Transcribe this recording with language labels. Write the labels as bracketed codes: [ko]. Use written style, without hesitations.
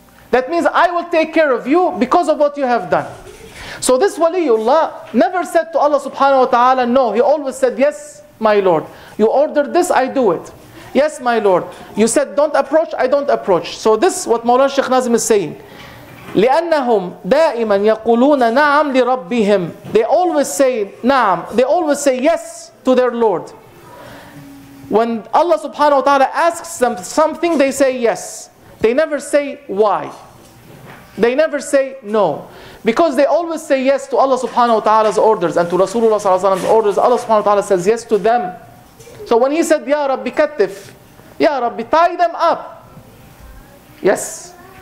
[en] That means I will take care of you because of what you have done. So this waliullah never said to Allah subhanahu wa ta'ala no. He always said, yes, my Lord. You ordered this, I do it. Yes, my Lord. You said don't approach, I don't approach. So this is what Mawlana Sheikh Nazim is saying. [ar] لأنهم دائما يقولون نعم لربهم. [en] They always say نعم. They always say yes to their Lord. When Allah subhanahu wa ta'ala asks them something, they say yes. They never say why. They never say no. Because they always say yes to Allah subhanahu wa ta'ala's orders and to Rasulullah sallallahu alayhi wa sallam's orders. Allah subhanahu wa ta'ala says yes to them. So when he said, [ar] Ya Rabbi kattif, [en] Ya Rabbi tie them up. Yes.